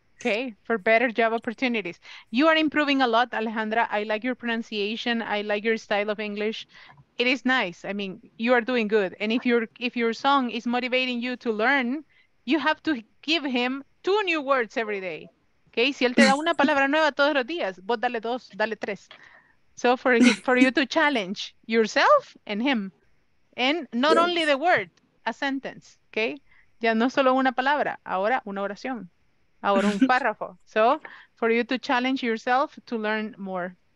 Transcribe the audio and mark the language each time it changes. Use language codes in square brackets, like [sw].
[en] Okay, for better job opportunities. You are improving a lot, Alejandra. I like your pronunciation. I like your style of English. It is nice. I mean, you are doing good. And if your song is motivating you to learn, you have to give him two new words every day. Okay? [es] Si él te da una palabra nueva todos los días, vos dale dos, dale tres. [en] So for you to challenge yourself and him. And not only the word, a sentence. Okay? [es] Ya no solo una palabra, ahora una oración. Ahora un párrafo. [en] So for you to challenge yourself to learn more.